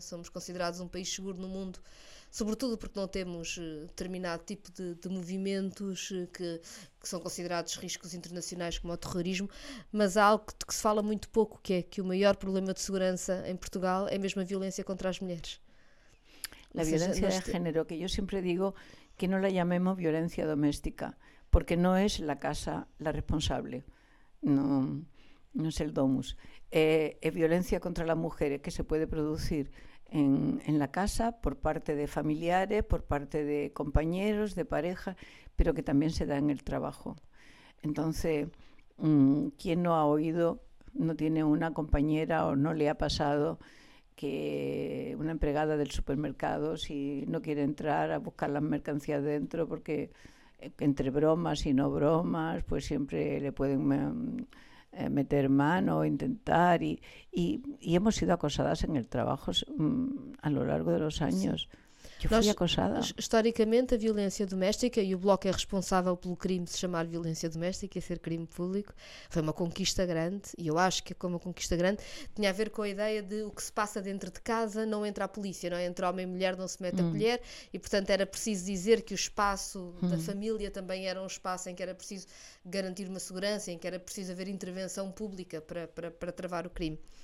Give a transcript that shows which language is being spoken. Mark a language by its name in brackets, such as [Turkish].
[Portuguese] Somos considerados um país seguro no mundo, sobretudo porque não temos determinado tipo de movimentos que são considerados riscos internacionais como o terrorismo, mas há algo de que se fala muito pouco, que é que o maior problema de segurança em Portugal é mesmo a violência contra as mulheres. A violência de género, que eu sempre digo que não a chamemos violência doméstica, porque não é a casa a responsável. [Spanish] No es el domus. Es violencia contra las mujeres que se puede producir en la casa por parte de familiares, por parte de compañeros, de pareja, pero que también se da en el trabajo. Entonces, ¿quién no ha oído, no tiene una compañera o no le ha pasado que una empleada del supermercado, si no quiere entrar a buscar las mercancías dentro, porque entre bromas y no bromas, pues siempre le pueden meter mano, intentar. Y hemos sido acosadas en el trabajo a lo largo de los años. Sí. [Portuguese] Historicamente, a violência doméstica, e o Bloco é responsável pelo crime de se chamar violência doméstica e ser crime público, foi uma conquista grande, e eu acho que como uma conquista grande, tinha a ver com a ideia de o que se passa dentro de casa não entra a polícia, não é? Entre homem e mulher não se mete a colher, e portanto era preciso dizer que o espaço da família também era um espaço em que era preciso garantir uma segurança, em que era preciso haver intervenção pública para travar o crime.